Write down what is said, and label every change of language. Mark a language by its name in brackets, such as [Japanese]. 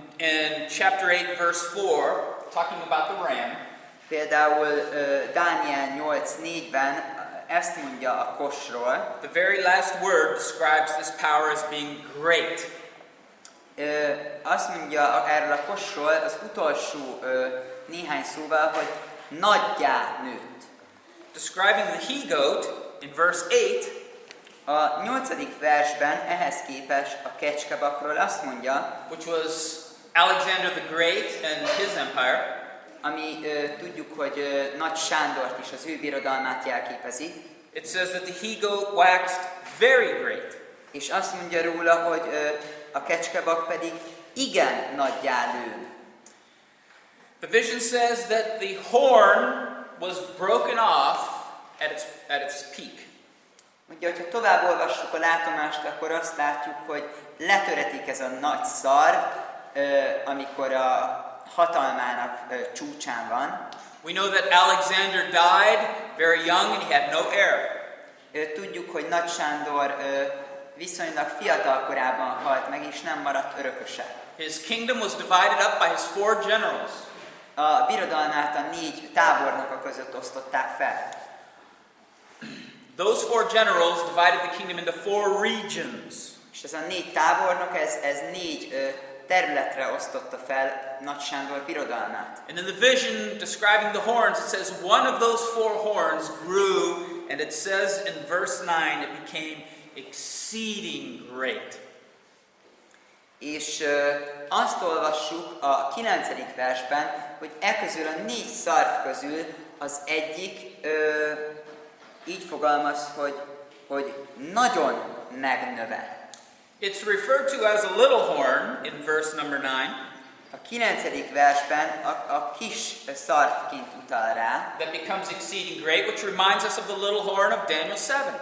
[English] In chapter 8 verse 4, talking about the ram. [Hungarian] Például Dániel 8:4-ben ezt mondja a kosról. [English] The very last word describes this power as being great. [Hungarian] Azt mondja erről a kosról az utolsó néhány szóval, hogy nagyjá nőtt. [English] Describing the he-goat in verse 8, [Hungarian] a 8. versben ehhez képest a kecskebakról azt mondja, [English] which was Alexander the Great and his empire, [Hungarian] ami tudjuk, hogy Nagy Sándort is, az ő birodalmát jelképezi. [English] It says that the he-goat waxed very great. [Hungarian] És azt mondja róla, hogy a kecskebak pedig igen nagyjá lőn. [English] The vision says that the horn was broken off at its peak. [Hungarian] Ugye, hogyha tovább olvassuk a látomást, akkor azt látjuk, hogy letöretik ez a nagy szar, amikor a hatalmának csúcsán van. [English] We know that Alexander died very young and he had no heir. [Hungarian] Tudjuk, hogy Nagy Sándor viszonylag fiatal korában halt meg, és nem maradt örököse. [English] His kingdom was divided up by his four generals. [Hungarian] A birodalmát a négy tábornoka között osztották fel. [English] Those four generals divided the kingdom into four regions. [Hungarian] És ez a négy tábornok, ez négy területre osztotta fel Nagy Sándor birodalmát. [English] And in the vision describing the horns, it says one of those four horns grew, and it says in verse 9, it became exceeding great. [Hungarian] És azt olvassuk a 9. versben, hogy e közül a négy szarv közül az egyik így fogalmaz, hogy nagyon megnöve. [English] It's referred to as a little horn in verse number 9. [Hungarian] A 9. versben a kis szarvként utal rá. [English] That becomes exceeding great, which reminds us of the little horn of Daniel 7.